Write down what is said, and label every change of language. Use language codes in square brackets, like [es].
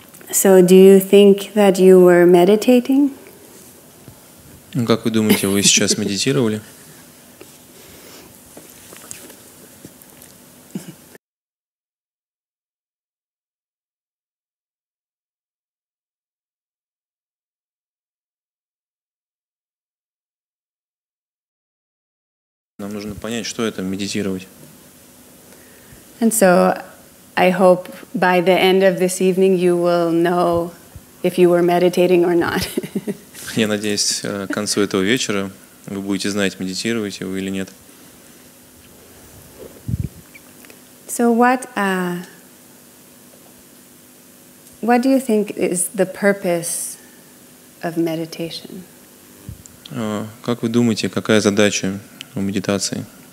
[en] So, do you think that you were meditating? [ru] Ну, как вы думаете, вы сейчас медитировали? Нам нужно понять, что это медитировать. [en] And so, I hope by the end of this evening you will know if you were meditating or not. [ru] Я надеюсь, к концу этого вечера вы будете знать, медитируете вы или нет. [en] So what do you think is the purpose of meditation? [ru] Как вы думаете, какая задача у медитации?